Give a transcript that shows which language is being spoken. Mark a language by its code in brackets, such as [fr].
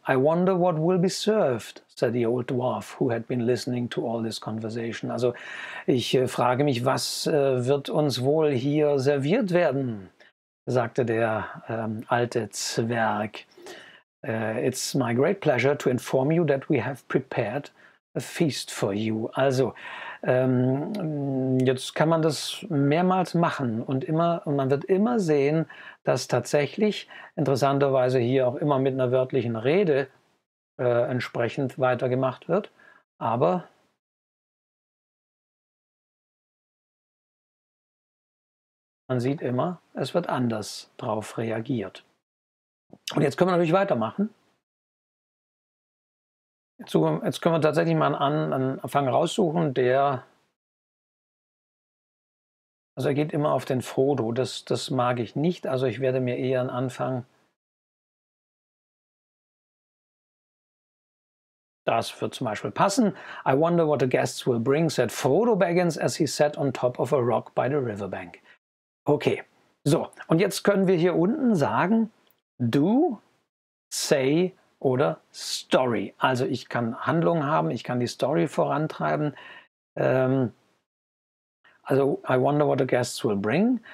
[en] I wonder what will be served, said the old dwarf, who had been listening to all this conversation. [de] Also ich frage mich, was wird uns wohl hier serviert werden? Sagte der alte Zwerg. [en] It's my great pleasure to inform you that we have prepared a feast for you. [de] Also, jetzt kann man das mehrmals machen und immer, und man wird immer sehen, dass tatsächlich interessanterweise hier auch immer mit einer wörtlichen Rede entsprechend weitergemacht wird. Aber man sieht immer, es wird anders drauf reagiert. Und jetzt können wir natürlich weitermachen. Jetzt können wir tatsächlich mal einen Anfang raussuchen, der... Also er geht immer auf den Frodo, das mag ich nicht. Also ich werde mir eher einen Anfang... Das wird zum Beispiel passen. [en] I wonder what the guests will bring, said Frodo Baggins, as he sat on top of a rock by the riverbank. [de] Okay, so, und jetzt können wir hier unten sagen, do, say oder story. Also ich kann Handlungen haben, ich kann die Story vorantreiben. [en] Also, I wonder what the guests will bring.